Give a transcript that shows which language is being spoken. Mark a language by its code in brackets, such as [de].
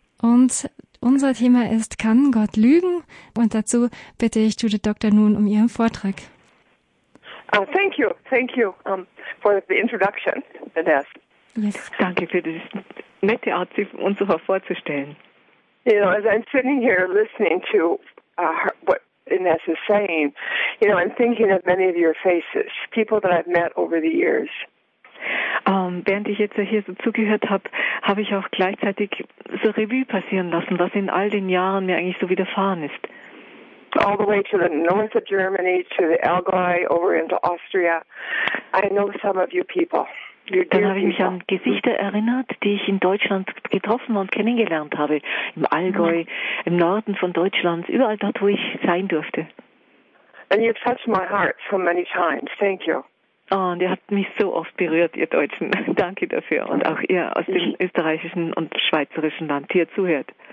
[de] Und unser Thema ist, kann Gott lügen? Und dazu bitte ich Judith Doctor nun um ihren Vortrag. [en] Thank you for the introduction. Yes. [de] Danke für die nette Art, sich uns vorzustellen. [en] You know, as I'm sitting here listening to what Ines is saying, you know, I'm thinking of many of your faces, people that I've met over the years. [de] Während ich jetzt hier so zugehört habe, habe ich auch gleichzeitig so Revue passieren lassen, was in all den Jahren mir eigentlich so widerfahren ist. [en] All the way to the north of Germany, to the Allgäu, over into Austria. I know some of you people. You [de] dann habe ich mich an Gesichter erinnert, die ich in Deutschland getroffen und kennengelernt habe. Im Allgäu, im Norden von Deutschland, überall dort, wo ich sein durfte. [en] And you've touched my heart so many times. Thank you. [de] Oh, und ihr habt mich so oft berührt, ihr Deutschen. Danke dafür. Und auch ihr aus dem österreichischen und schweizerischen Land, die ihr zuhört.